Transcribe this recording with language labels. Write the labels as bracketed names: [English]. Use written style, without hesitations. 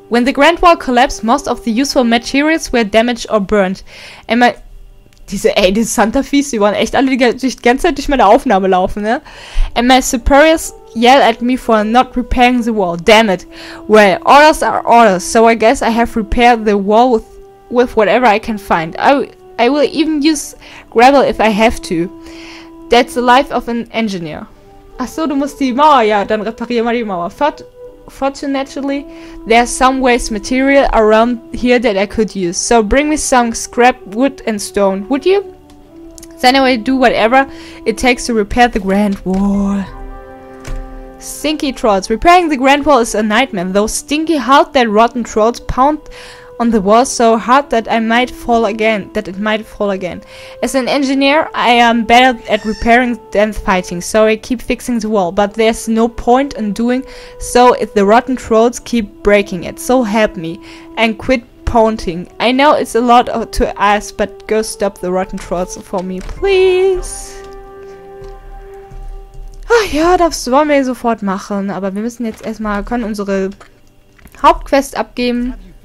[English] When the Grand Wall collapsed, most of the useful materials were damaged or burned. [German] Diese, ey, diese Santa Fies, die waren echt alle die ganze Zeit durch meine Aufnahme laufen, ne? [English] And my superiors yell at me for not repairing the wall. Damn it. Well, orders are orders, so I guess I have repaired the wall with whatever I can find. I will even use gravel if I have to. That's the life of an engineer. [German] Ach so, du musst die Mauer, ja, dann reparier mal die Mauer. [English] Fortunately, there's some waste material around here that I could use. So bring me some scrap wood and stone, would you? Then I will do whatever it takes to repair the Grand Wall. Stinky Trolls. Repairing the Grand Wall is a nightmare. Those stinky, hard, dead, rotten trolls pound on the wall so hard that I might fall again. As an engineer, I am better at repairing than fighting, so I keep fixing the wall. But there's no point in doing so if the rotten trolls keep breaking it. So help me, and quit pounding. I know it's a lot to ask, but go stop the rotten trolls for me, please. [German] Ach ja, das wollen wir sofort machen. Aber wir müssen jetzt erstmal können unsere Hauptquest abgeben.